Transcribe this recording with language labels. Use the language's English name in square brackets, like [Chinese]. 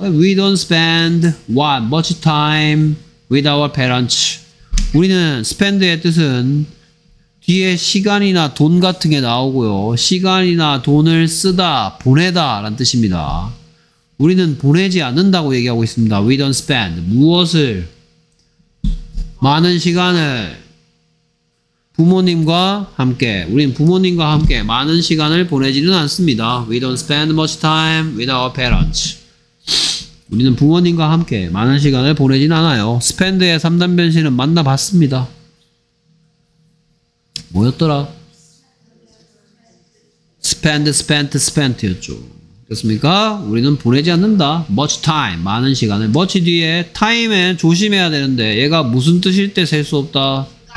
[English] we don't spend what much time with our parents. [Korean] 우리는 spend의 뜻은 뒤에 시간이나 돈 같은 게 나오고요. 시간이나 돈을 쓰다 보내다 라는 뜻입니다. 우리는 보내지 않는다고 얘기하고 있습니다. [English] We don't spend. [Korean] 무엇을? 많은 시간을 부모님과 함께. 우리는 부모님과 함께 많은 시간을 보내지는 않습니다. [English] We don't spend much time with our parents. [Korean] 우리는 부모님과 함께 많은 시간을 보내지는 않아요. Spend의 3단 변신은 만나봤습니다. 뭐였더라? Spend, spent, spent였죠. 됐습니까? 우리는 보내지 않는다. [English] Much time, [Korean] 많은 시간을. Much 뒤에 time에 조심해야 되는데 얘가 무슨 뜻일 때 셀 수 없다?